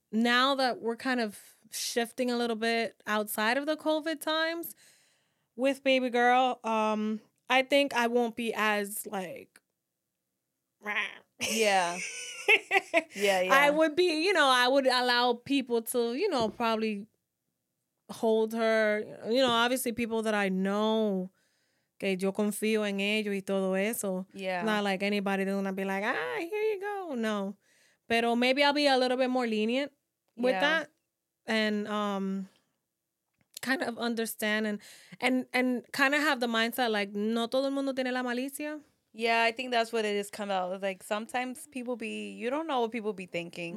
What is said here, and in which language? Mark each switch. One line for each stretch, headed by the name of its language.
English: Now that we're kind of shifting a little bit outside of the COVID times with baby girl, I think I won't be as like, rah. Yeah. Yeah, yeah. I would be, you know, I would allow people to, you know, probably hold her, you know, obviously people that I know.
Spanish: Okay, yo confío en ellos y todo eso.
English: Yeah. Not like anybody that's gonna be like, ah, here you go. No.
Spanish: Pero
English: maybe I'll be a little bit more lenient with yeah. that. And kind of understand and kind of have the mindset like
Spanish: no todo el mundo tiene la malicia.
English: Yeah, I think that's what it is kind of like. Sometimes people be you don't know what people be thinking.